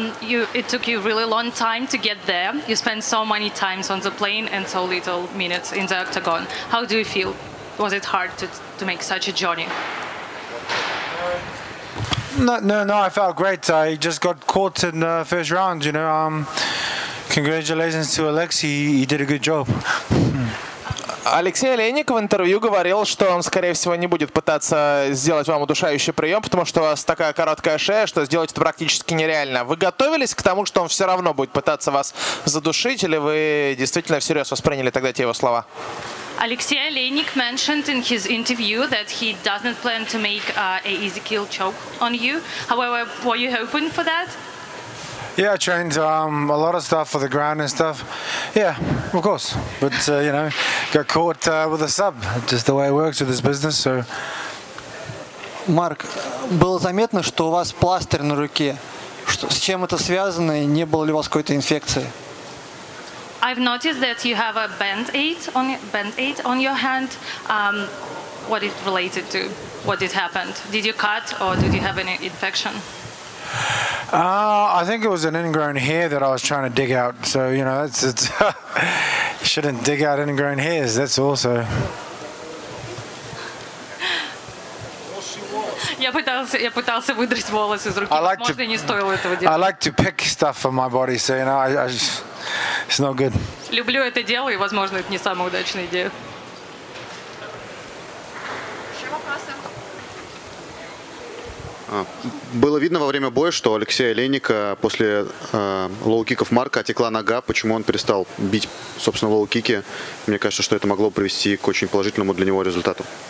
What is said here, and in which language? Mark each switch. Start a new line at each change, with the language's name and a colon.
English: It took you really long time to get there. You spent so many times on the plane and so little minutes in the octagon. How do you feel? Was it hard to make such a journey? No, I felt great. I just got caught in the first round, you know. Congratulations to Alexei, he did a good job.
Russian: Алексей Олейник в интервью говорил, что он, скорее всего, не будет пытаться сделать вам удушающий прием, потому что у вас такая короткая шея, что сделать это практически нереально. Вы готовились к тому, что он все равно будет пытаться вас задушить, или вы действительно всерьез восприняли тогда те его слова?
English: Алексей Олейник mentioned in his interview that he doesn't plan to make a easy kill choke on you. However, were you hoping for that? Yeah, I trained a lot of stuff for the ground and stuff. Yeah, of course. But, you know, got caught with a sub. Just the way it works with this business, so...
Russian: Марк, было заметно, что у вас пластырь на руке. Что, с чем это связано, и не было ли у вас какой-то инфекции?
English: I've noticed that you have a band-aid on your hand. What is related to? What did happen? Did you cut or did you have any infection? I think it was an ingrown hair that I was trying to dig out. So, you know, it's you shouldn't dig out ingrown hairs. That's also.
Russian: Я пытался выдрать волосы из руки. Может, не стоило этого делать.
English: I like to pick stuff from my body, so you know, it's not good.
Russian: Люблю это дело, и, возможно, это не самая удачная идея. Еще вопросы? Было видно во время боя, что Алексей Олейника после лоу-киков Марка отекла нога. Почему он перестал бить, собственно, лоу-кики? Мне кажется, что это могло привести к очень положительному для него результату.